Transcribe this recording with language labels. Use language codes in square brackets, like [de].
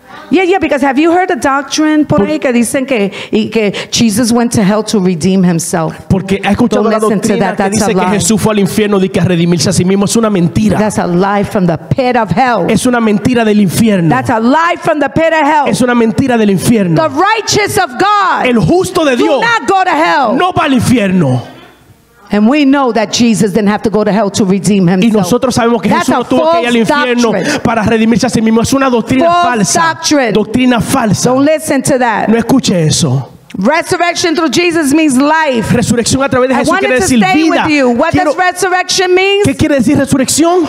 [en] Yeah, because have you heard a doctrine [es] por ahí que dicen que [en] Jesus went to hell to redeem himself? [es] Porque ha escuchado la doctrina que dice que Jesús fue al infierno de que a redimirse a sí mismo. Es una mentira. [en] That's a lie from the pit of hell. [es] Es una mentira del infierno. [en] That's a lie from the pit of hell. [es] Es una mentira del infierno. [en] The righteous of God. [es] El justo de Dios. [en] Do not go to hell. [es] No va al infierno. [en] And we know that Jesus didn't have to go to hell to redeem himself. [es] Y nosotros sabemos que Jesús no tuvo que ir al infierno para redimirse a sí mismo. Es una doctrina falsa. Doctrina falsa. [en] Don't listen to that. [es] No escuche eso. [en] Resurrection through Jesus means life. [es] Resurrección a través de Jesús quiere decir vida. [en] I wanted to stay with you. What does resurrection mean? [es] ¿Qué quiere decir resurrección?